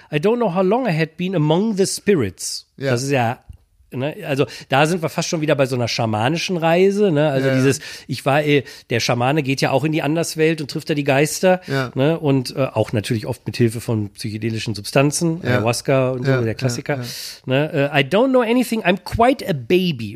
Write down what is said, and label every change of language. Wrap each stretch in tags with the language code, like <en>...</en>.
<en>I don't know how long I had been among the spirits.</en> <de>Ja. Das ist ja, ne? Also da sind wir fast schon wieder bei so einer schamanischen Reise. Ne? Also dieses, der Schamane geht ja auch in die Anderswelt und trifft da die Geister. Ja. Ne? Und auch natürlich oft mit Hilfe von psychedelischen Substanzen, Ayahuasca und so, der Klassiker. Ja. Ne?</de> <en>I don't know anything, I'm quite a baby.</en>